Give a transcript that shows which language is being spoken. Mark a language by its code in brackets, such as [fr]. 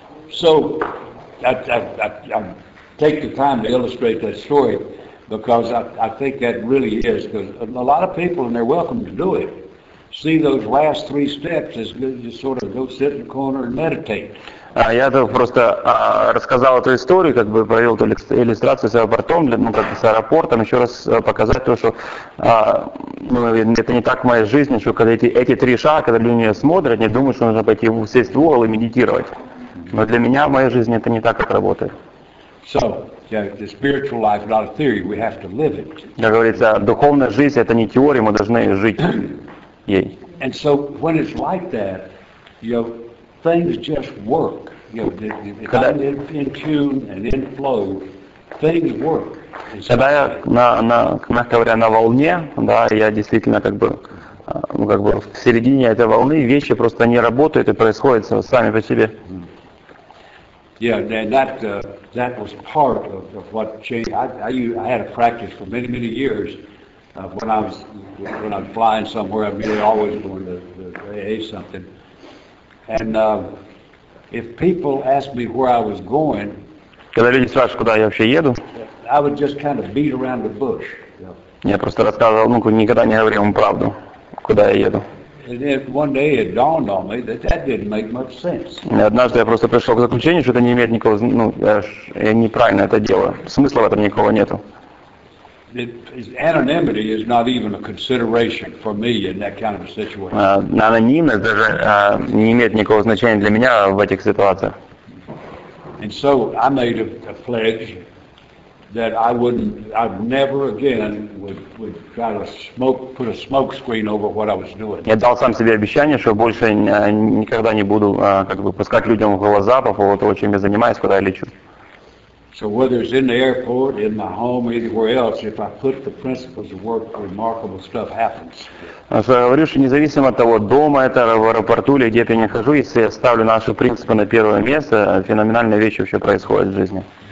[en] So, take the time to illustrate that story, because I think that really is, because a lot of people, and they're welcome to do it, see those last three steps as good as sort of go sit in the corner and meditate. [ru] Я просто рассказал эту историю, как бы провел эту иллюстрацию с аэропортом, ну, как бы с аэропортом, еще раз показать то, что это не так в моей жизни, что когда эти три шага, когда люди смотрят, они думают, что нужно пойти сесть в угол и медитировать. Но для меня в моей жизни это не так, как работает. [en] So, the spiritual life is not a theory, we have to live it. [ru] Как говорится, духовная жизнь — это не теория, мы должны жить ей. [en] And so, when it's like that, you know, things just work. You know, [ru] когда [en] I'm in tune and in flow, things work. [ru] Когда я на, мягко говоря, на волне, да, я действительно как бы, ну, как бы в середине этой волны, вещи просто не работают и происходят сами по себе. [en] Yeah, and that was part of what changed. I had a practice for many, many years. When I'm flying somewhere, I'm really always going to AA something. And if people ask me where I was going, [ru] когда люди спрашивают, куда я вообще еду, [en] I would just kind of beat around the bush. [ru] Я просто рассказывал, ну, никогда не говорил ему правду, куда я еду. [en] And then one day it dawned on me that that didn't make much sense. [ru] Однажды я просто пришел к заключению, что это не имеет никакого, ну, я неправильно это делаю. Смысла в этом никакого нету. [en] Anonymity is not even a consideration for me in that kind of a situation. [ru] Анонимность даже не имеет никакого значения для меня в этих ситуациях. [en] And so I made a pledge that I'd never again would try to put a smoke screen over what I was doing. [ru] Я дал сам себе обещание, что больше никогда не буду как бы пускать людям в глаза по поводу того, чем я занимаюсь, куда я лечу. [en] So whether it's in the airport, in my home, anywhere else, if I put the principles to work, remarkable stuff happens. [ru] Я говорю, что независимо от того, дома это, в аэропорту или где-то я нахожусь, если я ставлю наши принципы на первое место, феноменальные вещи вообще происходят в жизни.